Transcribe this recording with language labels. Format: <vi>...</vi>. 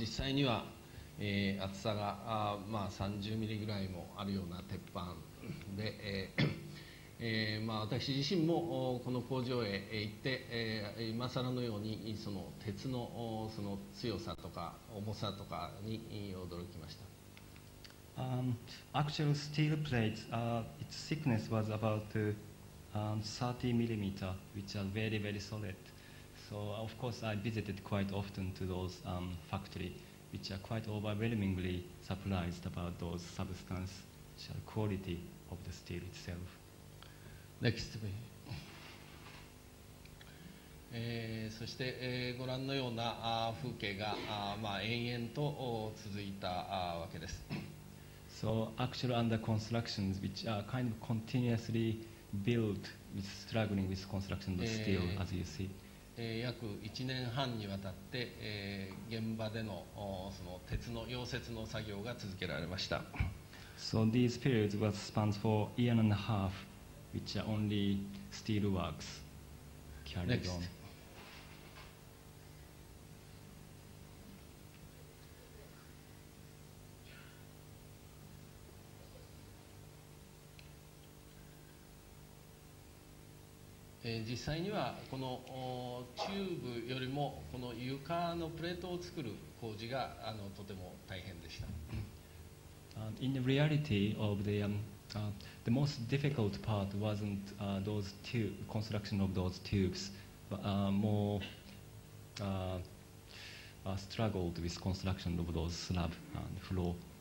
<ja>実際には、厚さが30ミリぐらいもあるような鉄板で、私自身もこの工場へ行って、今更のようにその鉄の、その強さとか重さとかに驚きました。</ja> <en>Actual steel plates, its thickness was about 30 millimeter, which are very, very solid. So, of course, I visited quite often to those factory, which are quite overwhelmingly surprised about those substantial quality of the steel itself. Next, please.</en> <ja>そして、ご覧のような風景が延々と続いたわけです。</ja> <en>So actual under constructions, which are kind of continuously built, is struggling with construction of steel, as you see.</en> <ja>約1年半にわたって、現場でのその鉄の溶接の作業が続けられました。</ja> <en>So these periods were spans for year and a half, which are only steel works carried Next. on.</en> <ja>実際にはこのチューブよりもこの床のプレートを作る工事がとても大変でした。</ja> <en>In the reality of the most difficult part wasn't those tube construction of those tubes, but more struggled with construction of those slab and floor.</en>